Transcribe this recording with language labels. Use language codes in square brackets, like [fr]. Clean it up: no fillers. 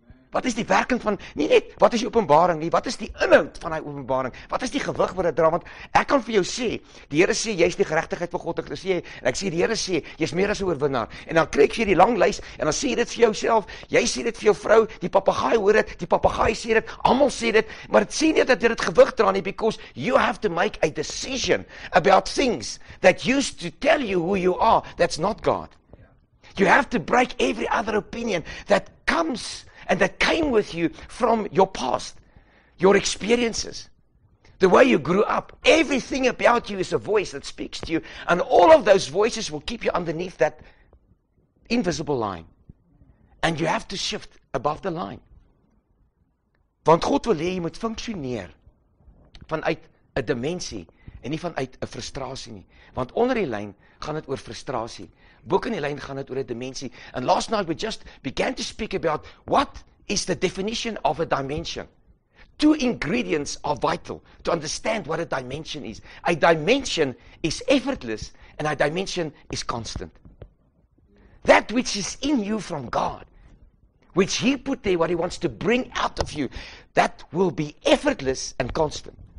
[af] wat is die werking van, nie net, wat is die openbaring nie, wat is die inhoud van die openbaring, wat is die gewig wat hy dra, want ek kan vir jou sê, die Here sê, jy is die geregtigheid van God, en ek sê, die Here sê, jy is meer as 'n oorwinnaar, en dan kreeg jy die lang lys, en dan sê dit vir jouself, jy sê dit vir jou vrou, die papegaai hoor dit, die papegaai sê dit, almal sê dit, maar het sê nie dat jy dit gewig dra nie, [en] because you have to make a decision about things that used to tell you who you are, that's not God. You have to break every other opinion that comes and that came with you from your past, your experiences, the way you grew up. Everything about you is a voice that speaks to you, and all of those voices will keep you underneath that invisible line. And you have to shift above the line. [af] Want God wil hê jy moet funksioneer vanuit 'n dimensie, en nie vanuit 'n frustrasie nie. Want onder die lyn gaan dit oor frustrasie. Boek in die lyn gaan dit oor 'n dimensie. [en] And last night we just began to speak about what is the definition of a dimension. Two ingredients are vital to understand what a dimension is. A dimension is effortless and a dimension is constant. That which is in you from God, which He put there, what He wants to bring out of you, that will be effortless and constant.